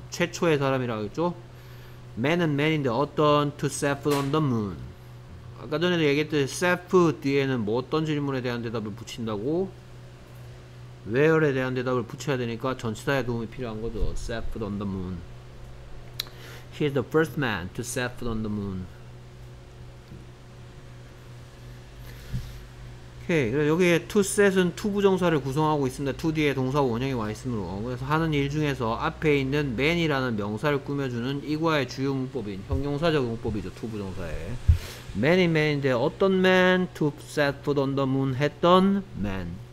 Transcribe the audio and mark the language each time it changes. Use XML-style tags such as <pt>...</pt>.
<ko>최초의 사람이라고 했죠. man은 man인데 어떤</ko> <en>to set foot on the moon.</en> <ko>아까 전에도 얘기했듯이 set foot 뒤에는 뭐 어떤 질문에 대한 대답을 붙인다고 where에 대한 대답을 붙여야 되니까 전치사의 도움이 필요한 거죠.</ko> <en>set foot on the moon. he is the first man to set foot on the moon.</en> <ko>오케이. 그래서 여기에 to set은 to 부정사를 구성하고 있습니다. to 뒤에 동사 원형이 와 있으므로. 그래서 하는 일 중에서 앞에 있는 man이라는 명사를 꾸며주는 이과의 주요 문법인 형용사 적용법이죠. to 부정사에. man이 man인데 어떤 man?</ko> <en>to set foot on the moon</en> <ko>했던</ko> <en>man.</en>